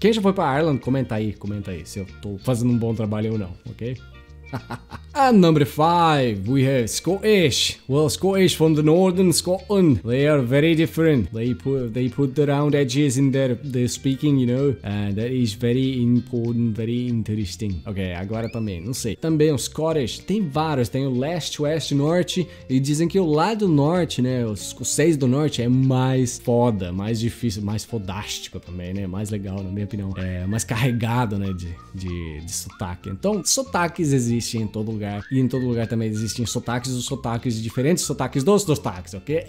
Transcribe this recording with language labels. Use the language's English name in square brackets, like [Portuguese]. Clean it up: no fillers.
[Portuguese] Quem já foi pra Ireland, comenta aí, se eu tô fazendo um bom trabalho ou não, ok? [English] And number 5, we have Scottish. Well, Scottish from the northern Scotland, they are very different. They put the round edges in their speaking, you know, and that is very important, very interesting. [Portuguese] Ok, agora também, não sei. Também o Scottish, tem vários, tem o leste, oeste, norte, e dizem que o lado norte, né, os escoceses do norte é mais foda, mais difícil, mais fodástico também, né, mais legal, na minha opinião. É mais carregado, né, de sotaque. Então, sotaques existem em todo lugar, e em todo lugar também existem sotaques, diferentes sotaques dos sotaques, ok?